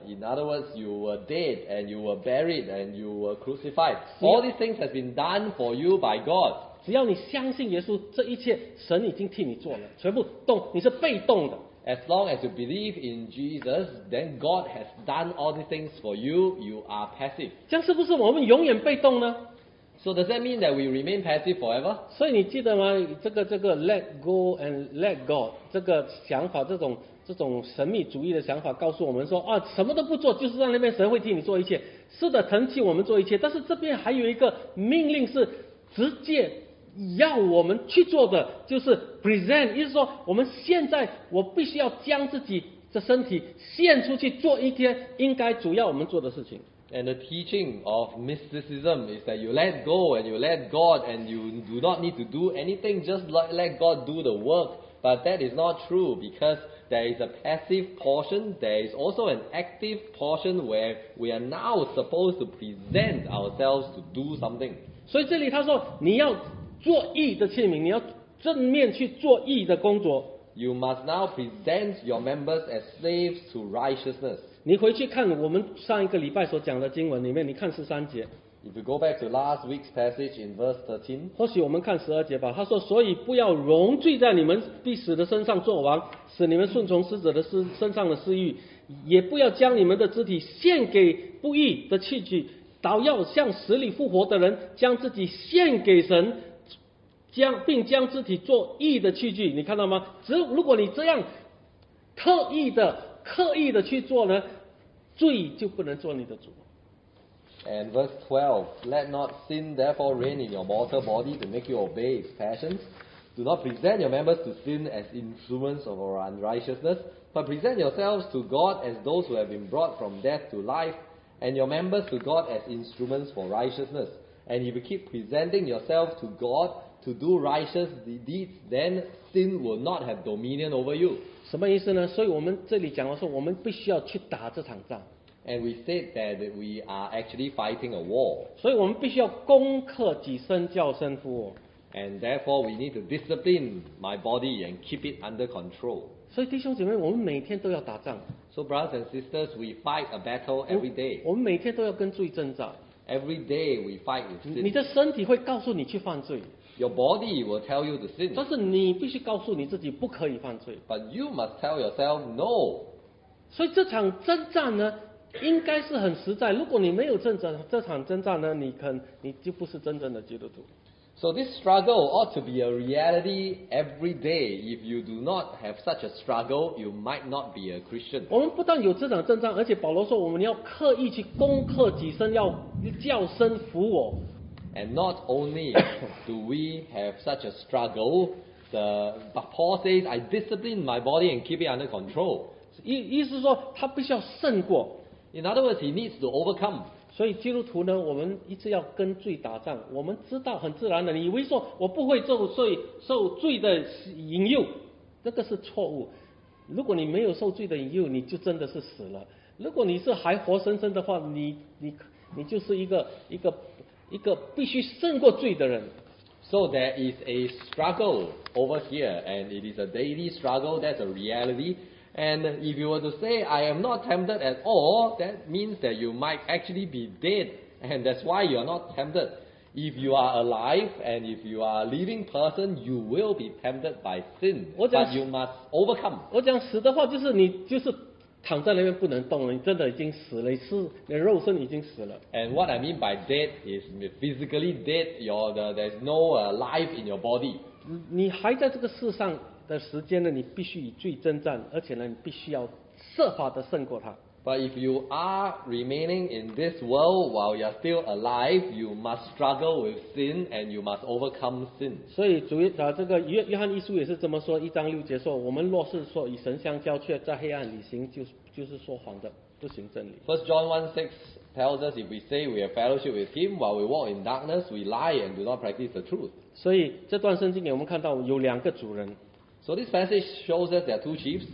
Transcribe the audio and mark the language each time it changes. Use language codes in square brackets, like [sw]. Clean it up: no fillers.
[en] In other words, you were dead and you were buried and you were crucified. All these things have been done for you by God. [zh] 只要你相信耶稣，这一切神已经替你做了，全部动，你是被动的。 [en] As long as you believe in Jesus, then God has done all these things for you. You are passive. [zh] 这样是不是我们永远被动呢？ [en] So does that mean that we remain passive forever? [zh] 所以你记得吗？这个 [en] let go and let God [zh] 这个想法，这种神秘主义的想法告诉我们说啊，什么都不做，就是让那边神会替你做一切。是的，神替我们做一切，但是这边还有一个命令是直接要我们去做的，就是 present， 意思说我们现在我必须要将自己的身体献出去，做一天应该主要我们做的事情。 [en] And the teaching of mysticism is that you let go and you let God and you do not need to do anything, just let God do the work. But that is not true, because there is a passive portion, there is also an active portion where we are now supposed to present ourselves to do something. [zh] 所以这里他说你要做义的器皿，你要正面去做义的工作。 [en] You must now present your members as slaves to righteousness. [zh] 你回去看我们上一个礼拜所讲的经文里面，你看十三节。 [en] If you go back to last week's passage in verse 13, [zh] 或许我们看十二节吧。他说，所以不要容罪在你们必死的身上作王，使你们顺从死者的身上的私欲，也不要将你们的肢体献给不义的器具，倒要像死里复活的人，将自己献给神。并将肢体做义的器具，你看到吗？如果你这样刻意的去做呢，罪就不能做你的主。 [en] And verse 12, let not sin therefore reign in your mortal body to make you obey its passions. Do not present your members to sin as instruments of our unrighteousness, but present yourselves to God as those who have been brought from death to life, and your members to God as instruments for righteousness. And if you keep presenting yourself to God,to do righteous deeds, then sin will not have dominion over you. [zh] 什么意思呢？所以我们这里讲的是，我们必须要去打这场仗。 [en] And we said that we are actually fighting a war. [zh] 所以我们必须要攻克己身，叫身服。 [en] And therefore, we need to discipline my body and keep it under control. [zh] 所以弟兄姐妹，我们每天都要打仗。 [en] So brothers and sisters, we fight a battle every day. [zh] 我们每天都要跟罪征战。 [en] Every day we fight with sin. [zh] 你的身体会告诉你去犯罪。 [en] Your body will tell you the sin. [zh] 但是你必须告诉你自己不可以犯罪。 [en] But you must tell yourself no. [zh] 所以这场征战呢，应该是很实在。如果你没有这场征战呢，你就不是真正的基督徒。 [en] So this struggle ought to be a reality every day. If you do not have such a struggle, you might not be a Christian. [zh] 我们不但有这场征战，而且保罗说我们要刻意去攻克己身，要叫身服我。 [en] And not only do we have such a struggle, but Paul says, I discipline my body and keep it under control. [zh] 意思说他必须要胜过。 [en] In other words, he needs to overcome. [zh] 所以基督徒呢，我们一直要跟罪打仗。我们知道很自然的，你以为说我不会受罪的引诱，这个是错误。如果你没有受罪的引诱，你就真的是死了。如果你是还活生生的话，你就是一个必须胜过罪的人。 [en] So there is a struggle over here, and it is a daily struggle, that's a reality. And if you were to say, I am not tempted at all, that means that you might actually be dead, and that's why you are not tempted. If you are alive, and if you are a living person, you will be tempted by sin, but you must overcome. [zh] 我讲死的话就是你就是躺在那边不能动了，你真的已经死了，你的肉身已经死了。 [en] And what I mean by dead is physically dead. There's no life in your body. [zh] 你还在这个世上的时间呢，你必须与罪征战，而且呢，你必须要设法的胜过它。 [en] But if you are remaining in this world while you are still alive, you must struggle with sin and you must overcome sin. [zh] 所以主啊，这个约翰一书也是这么说，一章六节说，我们若是说与神相交，却在黑暗里行，就是说谎的，不行真理。 [en] First John 1:6 tells us, if we say we have fellowship with him while we walk in darkness, we lie and do not practice the truth. [zh] 所以这段圣经给我们看到有两个主人。 [en] So this passage shows us there are two chiefs.